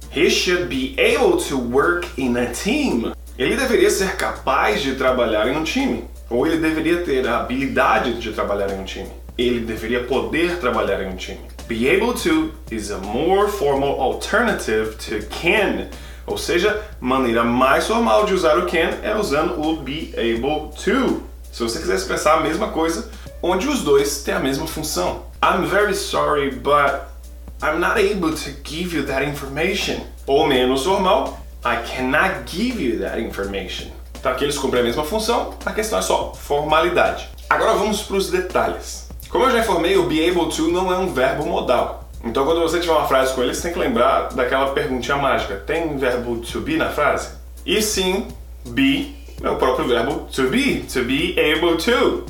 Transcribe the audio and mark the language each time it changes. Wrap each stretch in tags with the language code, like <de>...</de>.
<en>He should be able to work in a team.</en> <pt>Ele deveria ser capaz de trabalhar em um time. Ou ele deveria ter a habilidade de trabalhar em um time. Ele deveria poder trabalhar em um time.</pt> <en>Be able to is a more formal alternative to can.</en> <pt>Ou seja, maneira mais formal de usar o can é usando o be able to. Se você quiser expressar a mesma coisa, onde os dois têm a mesma função.</pt> <en>I'm very sorry, but I'm not able to give you that information.</en> <pt>Ou menos formal,</pt> <en>I cannot give you that information.</en> <pt>Então aqui eles cumprem a mesma função, a questão é só formalidade. Agora vamos para os detalhes. Como eu já informei, o be able to não é um verbo modal. Então quando você tiver uma frase com ele, você tem que lembrar daquela perguntinha mágica. Tem verbo to be na frase? E sim, be é o próprio verbo to be able to.</pt>